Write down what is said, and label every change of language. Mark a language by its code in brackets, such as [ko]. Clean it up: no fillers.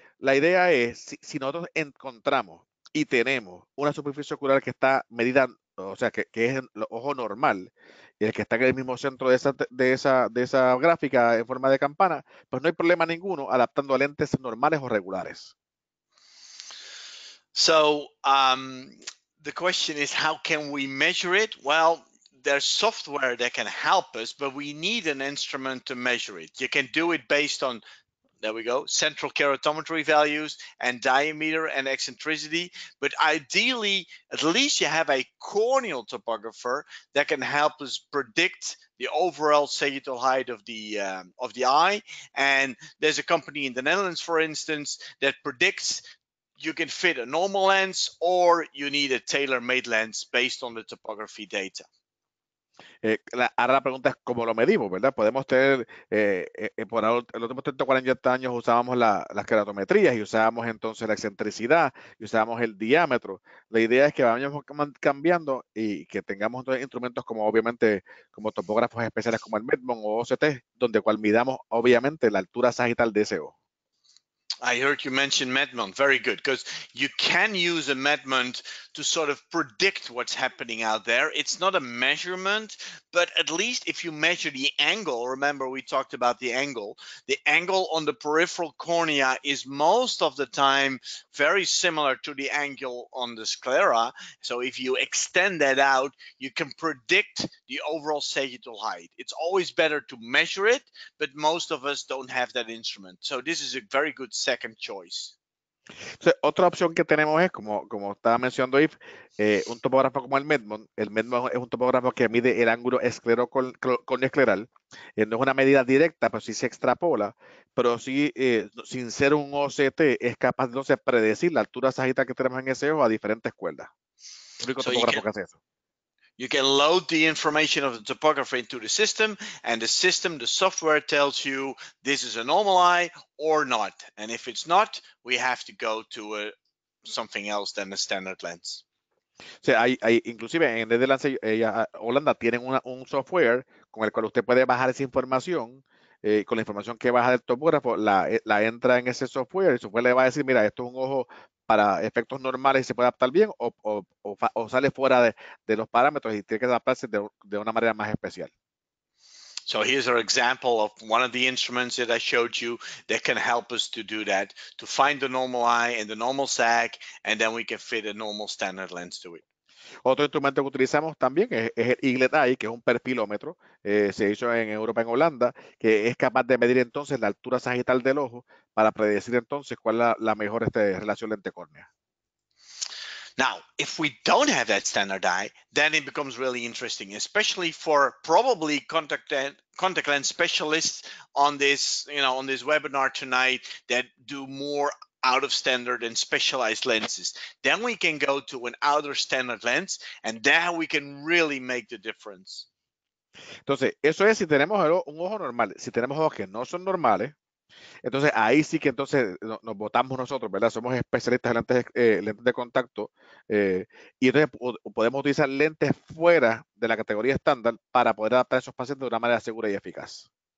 [es] La idea es, si nosotros encontramos y tenemos una superficie ocular que está medida, o sea, que es el ojo normal, y el que está en el mismo centro de esa gráfica en forma de campana, pues no hay problema ninguno adaptando a lentes normales o regulares. [en] So, the question is, how can we measure it? Well, there's software that can help us, but we need an instrument to measure it. You can do it based on there we go, central keratometry values and diameter and eccentricity. But ideally, at least you have a corneal topographer that can help us predict the overall sagittal height of the eye. And there's a company in the Netherlands, for instance, that predicts you can fit a normal lens or you need a tailor-made lens based on the topography data. [es] Ahora la pregunta es cómo lo medimos, ¿verdad? Podemos tener, por los últimos 30 o 40 años usábamos las keratometrías y usábamos entonces la excentricidad y usábamos el diámetro. La idea es que vayamos cambiando y que tengamos entonces instrumentos como obviamente como topógrafos especiales como el MEDMON o OCT, donde cual midamos obviamente la altura sagital de ese ojo. [en] I heard you mention MEDMON. Very good, because you can use a MEDMON to sort of predict what's happening out there. It's not a measurement, but at least if you measure the angle, remember we talked about the angle on the peripheral cornea is most of the time very similar to the angle on the sclera. So if you extend that out, you can predict the overall sagittal height. It's always better to measure it, but most of us don't have that instrument. So this is a very good second choice. [es] Entonces, otra opción que tenemos es, como estaba mencionando Eef, un topógrafo como el MEDMON. El MEDMON es un topógrafo que mide el ángulo esclero-corneoescleral. No es una medida directa, pero sí se extrapola. Pero sí, sin ser un OCT, es capaz de entonces predecir la altura sagital que tenemos en ese ojo a diferentes cuerdas. El único topógrafo que hace eso. [en] You can load the information of the topography into the system, and the system, the software tells you this is a normal eye or not. And if it's not, we have to go to something else than a standard lens. [es] Sí, hay inclusive en Netherlands, Holanda tienen un software con el cual usted puede bajar esa información. Con la información que baja del topógrafo, la entra en ese software y el software le va a decir, mira, esto es un ojo para efectos normales y se puede adaptar bien o sale fuera de los parámetros y tiene que adaptarse de una manera más especial. [en] So here's our example of one of the instruments that I showed you that can help us to do that, to find the normal eye and the normal sag, and then we can fit a normal standard lens to it. [es] Otro instrumento que utilizamos también es el Eaglet Eye, que es un perfilómetro, se hizo en Europa, en Holanda, que es capaz de medir entonces la altura sagital del ojo para predecir entonces cuál es la mejor relación lente-córnea. [en] Now, if we don't have that standard eye, then it becomes really interesting, especially for probably contact lens specialists on this, you know, on this webinar tonight that do more out of standard and specialized lenses. Then we can go to an outer standard lens, and then we can really make the difference. [es] Entonces, eso es si tenemos un ojo normal. Si tenemos ojos que no son normales, entonces ahí sí que entonces nos botamos nosotros, ¿verdad? Somos especialistas en lentes de contacto, y entonces podemos utilizar lentes fuera de la categoría estándar para poder adaptar a esos pacientes de una manera segura y eficaz.